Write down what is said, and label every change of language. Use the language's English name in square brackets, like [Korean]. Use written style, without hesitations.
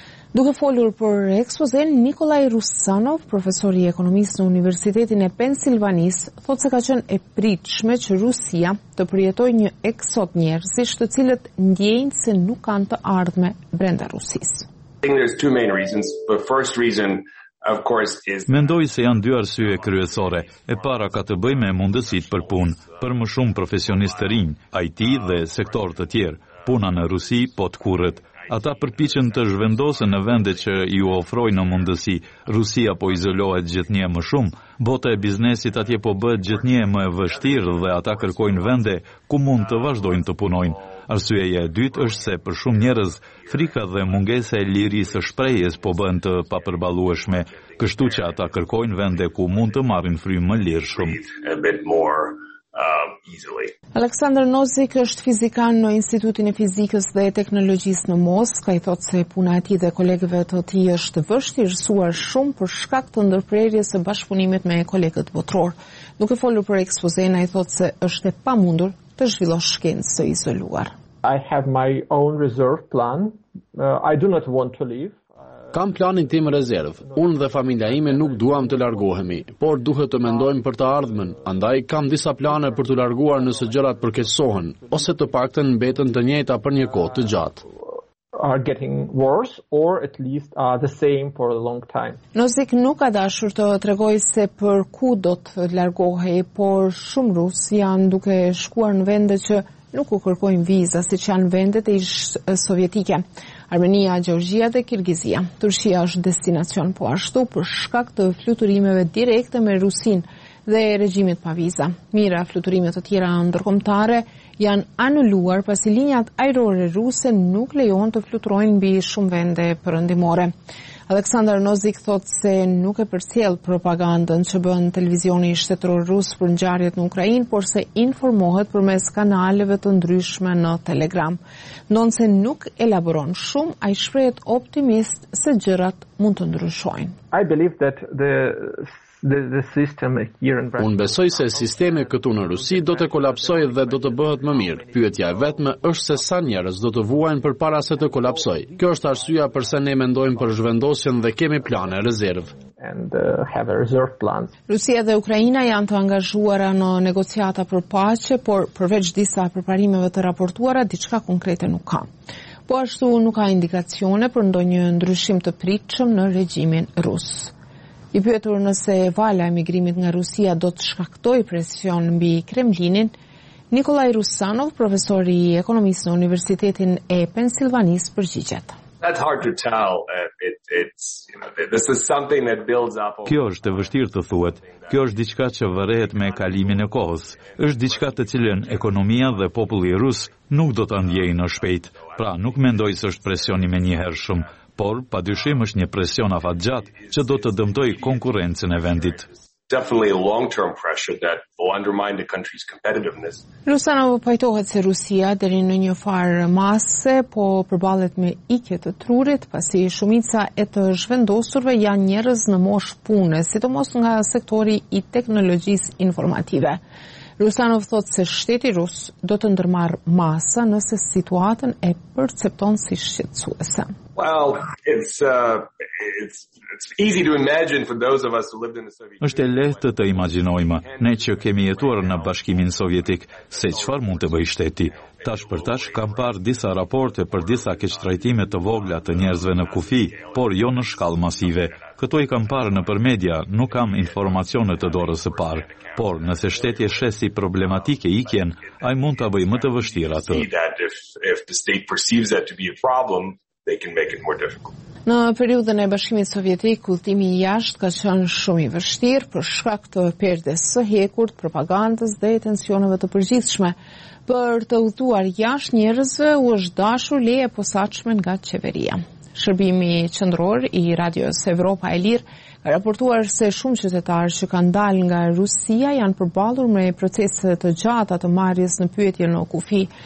[Albanian] Duke folur për ekspozen, Nikolaj Rusanov, profesor i ekonomisë në Universitetin e Pensilvanisë, thotë se ka qenë e pritshme që Rusia të përjetojë një eksod njerëzish të cilët ndjejnë se nuk kanë të ardhme brenda Rusisë. [English] I think there's two main reasons. The first reason, of course, is [Albanian] mendoj se janë dy arsye kryesore. E para ka të bëjë me mundësitë për punë, për më shumë profesionistë të rinj, IT dhe sektorë të tjerë. Puna në Rusi po të kurret. Ata përpiqen të zhvendosen në vende që ju ofrojnë mundësi. Rusia po izolohet gjithnjë më shumë, bota e biznesit atje po bëhet gjithnjë më e vështirë dhe ata kërkojnë vende ku mund të vazhdojnë të punojnë. Arsyeja e dytë është se për shumë njerëz frika dhe mungesa e lirisë së shprehjes po bën të papërballueshme, kështu që ata kërkojnë vende ku mund të marrin frymë më lirshëm. Aleksandr Nozik është fizikan në Institutin e Fizikës dhe Teknologjisë në Moskë, i thotë se puna e tij dhe kolegëve të tij është vështirësuar shumë për shkak të ndërprerjes së bashkëpunimit me kolegët botror. Duke folur për ekspozen, ai thotë se është e pamundur të zhvillosh shkencë së izoluar. [English] I have my own reserve plan. I do not want to leave. [Albanian] Kam planin tim rezerv. Unë dhe familja ime nuk duam të largohemi, por duhet të mendojmë për të ardhmen, andaj kam disa plane për të larguar nëse gjërat përkeqësohen, ose të paktën mbeten të njëjta për një kohë të gjatë. [English] Are getting worse or at least the same for a long time. [Albanian] Nozik nuk ka dashur të tregoj se për ku do të largohej, por shumë rus janë duke shkuar në vende që nuk u kërkojnë viza, siç janë vendet e sovjetike. Armenia, Gjorgjia dhe Kirgizia. Turqia është destinacion po ashtu për shkak të fluturimeve direkte me Rusin dhe regjimit pa viza. Mira, fluturimet të tjera ndërkombëtare janë anulluar pasi linjat ajrore ruse nuk lejon të fluturojnë mbi shumë vende përëndimore. Aleksandar Nozik thot se nuk e përcjell propagandën që bën televizioni shtetëror rus për ngjarjet në Ukrainë, por se informohet përmes kanaleve të ndryshme në Telegram. Ndonse nuk elaboron shumë, ai shprehet optimist se gjërat mund të ndryshojnë. [English] I believe that the system here in Russia. [Albanian] Unë besoj se sistemi këtu në Rusi do të kolapsojë dhe do të bëhet më mirë. Pyetja e vetme është se sa njerëz do të vuajnë përpara se të kolapsojë. Kjo është arsyeja pse ne mendojmë për zhvendosjen dhe kemi plane rezervë. Rusia dhe Ukraina janë të angazhuara në negociata për paqe, por përveç disa përparimeve të raportuara, diçka konkrete nuk ka. Po ashtu nuk ka indikacione për ndonjë ndryshim të pritshëm në regjimin rus. I pyetur nëse vala e migrimit nga Rusia do të shkaktoj presion mbi Kremlinin, Nikolaj Rusanov, profesor i ekonomisë në Universitetin e Pennsylvanis, përgjigjet. [English] That's hard to tell. This is something that builds up. [Albanian] Kjo është e vështirë të thuhet. Kjo është diçka që varrehet me kalimin e kohës. Është diçka të cilën ekonomia dhe populli rus nuk do ta ndjejë në shpejt. Pra, nuk mendoj se është presioni me njëherëshëm, por padyshim është një presion afatgjatë që do të dëmtojë konkurrencën e vendit. [English] Definitely a long-term pressure that will undermine the country's competitiveness. [Albanian] Rusanov pajtohet se Rusia deri në një farë mase po përballet me ikje të trurit, pasi shumica e të zhvendosurve janë njerëz në moshë pune, sidomos nga sektori i teknologjisë informative. Rusanov thot se shteti rus do të ndërmarrë masa nëse situatën e percepton si shqetësuese. [English] Well, it's easy to imagine for those of us who lived in the Soviet Union. [Albanian] Është lehtë të imagjinojmë ne që kemi jetuar në Bashkimin Sovjetik se çfarë mund të bëjë shteti. Tash për tash kam parë disa raporte për disa keqtrajtime të vogla të njerëzve në kufi, por jo në shkallë masive. Këto i kam parë nëpër media, nuk kam informacione të dorës së parë, por nëse shteti e sheh si problematike ikjen, ai mund ta bëjë më të vështirë atë. [English] If the state perceives that to be a problem, they can make it more difficult. [Albanian] Në periudhën e Bashkimit Sovjetik, kultimi i jashtë ka qenë shumë i vështirë për shkak të perdes së hekurt, propagandës dhe tensioneve të përgjithshme. Për të udhëtuar jashtë njerëzve u është dashur leje posaçme nga qeveria. Shërbimi qendror i Radios Evropa e Lirë ka raportuar se shumë qytetarë që kanë dalë nga Rusia janë përballur me procese të gjata të marrjes në pyetje në kufi.